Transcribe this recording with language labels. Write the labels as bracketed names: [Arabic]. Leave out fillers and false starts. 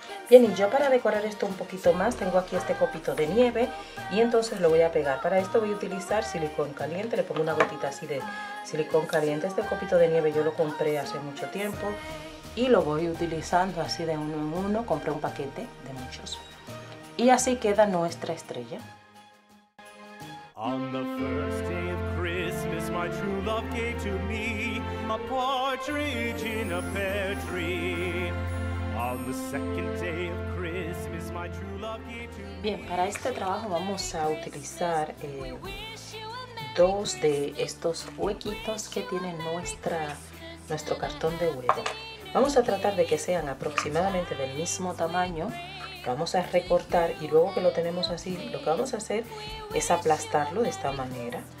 [Spanish] Bien, y yo para decorar esto un poquito más, tengo aquí este copito de nieve y entonces lo voy a pegar. Para esto voy a utilizar silicón caliente, le pongo una gotita así de silicón caliente. Este copito de nieve yo lo compré hace mucho tiempo y lo voy utilizando así de uno en uno. Compré un paquete de muchos. Y así queda nuestra estrella. [English] On the first day of Christmas, my true love gave to me a partridge in a pear tree. On the second day of Christmas, my true love gave to me. [Spanish] Bien, para este trabajo vamos a utilizar dos de estos huequitos que tiene nuestro cartón de huevo. Vamos a tratar de que sean aproximadamente del mismo tamaño. Vamos a recortar y luego que lo tenemos así, lo que vamos a hacer es aplastarlo de esta manera.